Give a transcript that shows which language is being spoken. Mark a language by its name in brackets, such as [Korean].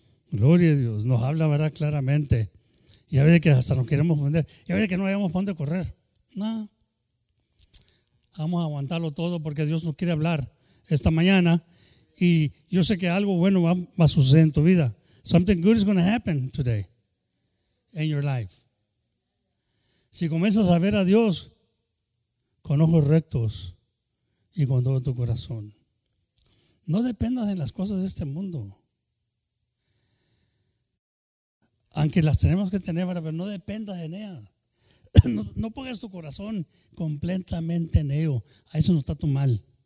[Spanish] Gloria a Dios, nos habla, ¿verdad?, claramente. Y a veces que hasta nos queremos ofender, y a veces que no hayamos para dónde correr. No, vamos a aguantarlo todo porque Dios nos quiere hablar esta mañana. Y yo sé que algo bueno va a suceder en tu vida. [English] Something good is going to happen today in your life. [Spanish] Si comienzas a ver a Dios con ojos rectos y con todo tu corazón. No dependas de las cosas de este mundo. Aunque las tenemos que tener, pero no dependas de ellas. No pongas tu corazón completamente en ello. A eso no está tu mal.